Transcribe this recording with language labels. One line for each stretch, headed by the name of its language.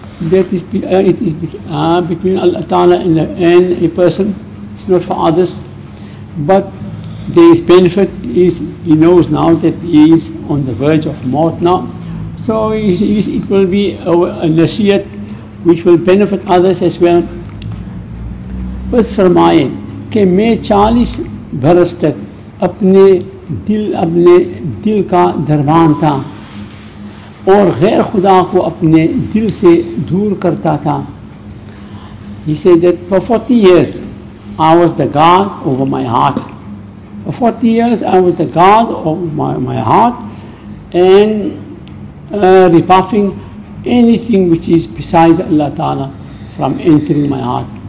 English: That is, it is between Allah Ta'ala and a person. It's not for others. But there is benefit. He knows now that he is on the verge of mort now. So it will be a nasihat which will benefit others as well.
Urdu: First farmaye, ke main 40 baras tak apne دل کا دربان تھا اور غیر خدا کو اپنے دل سے دور کرتا تھا.
English: He said that for 40 years I was the guard over my heart. For 40 years I was the guard over my heart and rebuffing anything which is besides Allah Ta'ala from entering my heart.